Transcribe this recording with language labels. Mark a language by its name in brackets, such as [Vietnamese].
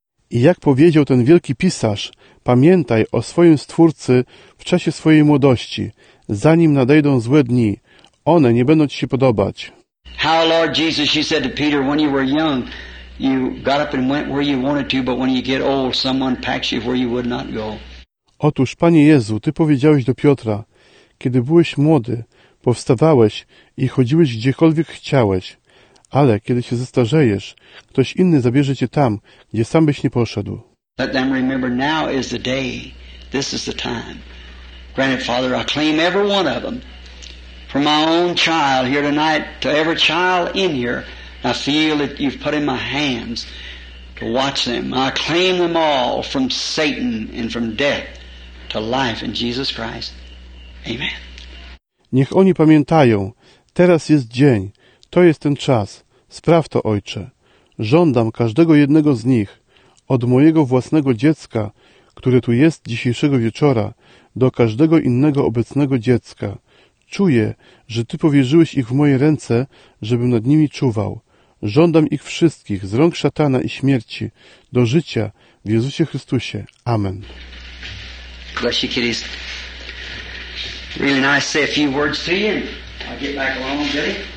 [Polish] I jak powiedział ten wielki pisarz, pamiętaj o swoim Stwórcy w czasie swojej młodości, zanim nadejdą złe dni, one nie będą ci się podobać. [English] How, Lord Jesus, you said to Peter, when you were young, you got up and went where you wanted to, but when you get old, someone packs you where you would not go. [Polish] Otóż, Panie Jezu, Ty powiedziałeś do Piotra, kiedy byłeś młody, powstawałeś i chodziłeś gdziekolwiek chciałeś, ale kiedy się zestarzejesz, ktoś inny zabierze Cię tam, gdzie sam byś nie poszedł. [English] Let them remember now is the day, this is the time. Granted, Father, I claim every one of them for my own child here tonight, to every child in here. I feel that you've put in my hands to watch them. I claim them all from Satan and from death to life in Jesus Christ. Amen. [Polish] Niech oni pamiętają, teraz jest dzień, to jest ten czas. Spraw to, Ojcze. Żądam każdego jednego z nich, od mojego własnego dziecka, które tu jest dzisiejszego wieczora, do każdego innego obecnego dziecka. Czuję, że Ty powierzyłeś ich w moje ręce, żebym nad nimi czuwał. Żądam ich wszystkich z rąk szatana i śmierci do życia w Jezusie Chrystusie. Amen. [English] Bless you, kiddies. Really nice to say a few words to you. I'll get back along, Billy.